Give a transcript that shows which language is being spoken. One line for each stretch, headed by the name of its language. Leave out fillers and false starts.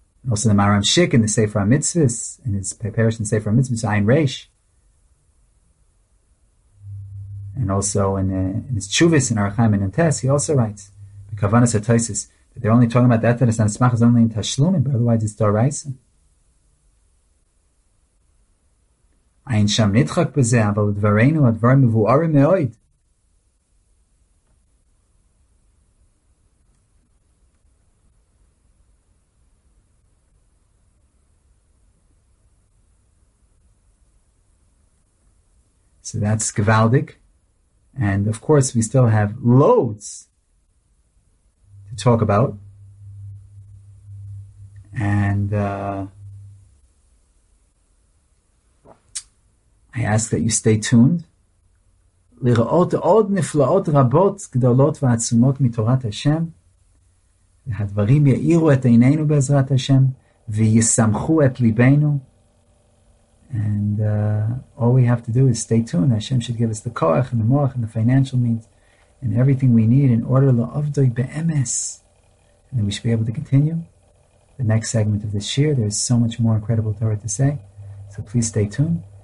English: Also the Maram Shik in the Sefer HaMitzvahs, in his parish in the Sefer HaMitzvahs, Ayin Reish. And also in his Chuvis in Arachayim and Tess, he also writes, the Kavanas HaToysis, that they're only talking about that is not Smach, is only in Tashlumin, but otherwise it's Doraisa.
Hebrew: אין שם נדחק בזה, אבל דברינו הדברים מבוארים מאוד.
English: So that's Gvaldik. And of course, we still have loads to talk about. And I ask that you stay tuned.
Hebrew: לראות עוד נפלאות רבות גדולות ועצומות מתורת השם, והדברים יאירו את עינינו בעזרת השם, וישמחו את ליבנו.
English: And all we have to do is stay tuned. Hashem should give us the koach and the moach and the financial means and everything we need in order la'avdoi be'emes. And then we should be able to continue the next segment of this shiur. There is so much more incredible Torah to say. So please stay tuned.